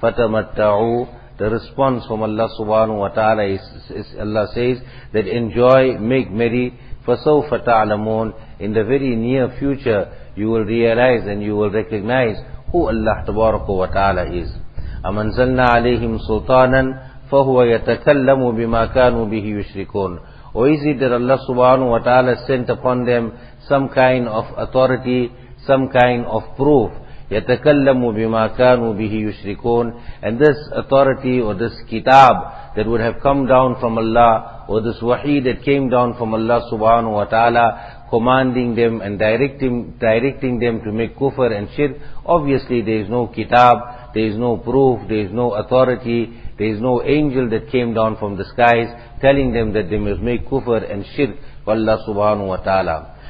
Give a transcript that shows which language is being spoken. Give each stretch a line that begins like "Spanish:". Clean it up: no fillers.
English: Fatamatta'u, the response from Allah subhanahu wa ta'ala is, Allah says that enjoy, make merry,
Arabic: فَسَوْفَ تَعْلَمُونَ,
English: in the very near future you will realize and you will recognize who Allah tabaraka wa ta'ala is.
Arabic: أَمَنْزَلْنَا عَلَيْهِمْ سُلْطَانًا فهو يتكلم بما كانوا به يشركون.
English: Or is it that Allah subhanahu wa ta'ala sent upon them some kind of authority, some kind of proof?
Arabic: يَتَكَلَّمُ بِمَا كَانُوا بِهِ يُشْرِكُونَ.
English: And this authority or this kitab that would have come down from Allah, or this wahi that came down from Allah subhanahu wa ta'ala commanding them and directing them to make kufr and shirk, obviously there is no kitab, there is no proof, there is no authority, there is no angel that came down from the skies telling them that they must make kufr and shirk for Allah subhanahu wa ta'ala.